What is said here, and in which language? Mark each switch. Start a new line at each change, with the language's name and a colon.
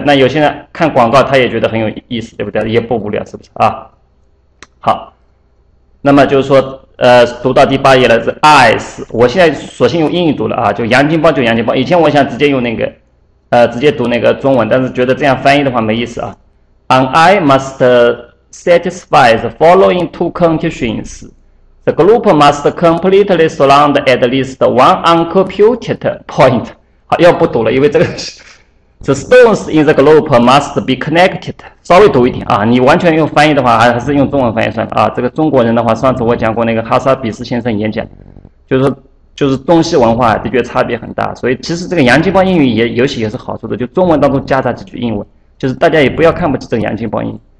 Chinese: 那有些人看广告，他也觉得很有意思，对不对？也不无聊，是不是啊？好，那么就是说，读到第八页了，是 eyes。我现在索性用英语读了啊，就洋泾浜就洋泾浜。以前我想直接用那个，直接读那个中文，但是觉得这样翻译的话没意思啊。
English: And I must satisfy the following two conditions: the group must completely surround at least one uncomputed point。
Chinese: 好，要不读了，因为这个。
English: The stones in the globe must be connected。
Chinese: 稍微读一点啊，你完全用翻译的话，还是用中文翻译算啊？这个中国人的话，上次我讲过那个哈萨比斯先生演讲，就是东西文化的确差别很大。所以其实这个洋泾浜英语也是好处的，就中文当中夹杂几句英文，就是大家也不要看不起这个洋泾浜英语。